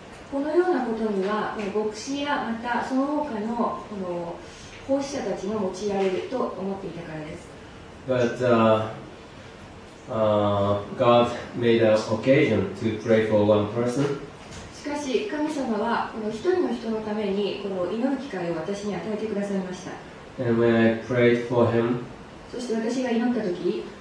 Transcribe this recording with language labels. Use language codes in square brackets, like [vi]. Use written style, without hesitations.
[ja] このようなことには、牧師やまたその他の、この奉仕者たちが用いられると思っていたからです。 [en] But, God made an occasion to pray for one person. [ja] しかし、神様は、この一人の人のために、この祈る機会を私に与えてくださいました。 [en] And when I prayed for him, [ja] そして私が祈ったとき、